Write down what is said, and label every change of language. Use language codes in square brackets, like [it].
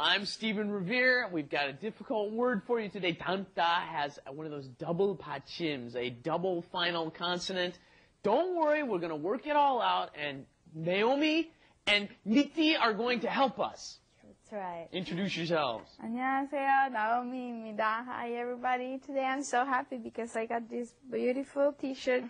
[en] I'm Stephen Revere. We've got a difficult word for you today. 닮다 has one of those double 받침s, a double final consonant. Don't worry, we're going to work it all out, and Naomi and Nitti are going to help us. Right. Introduce yourselves. [ko] 안녕하세요, 나오미입니다. [en] Hi, everybody. Today I'm so happy because I got this beautiful T-shirt.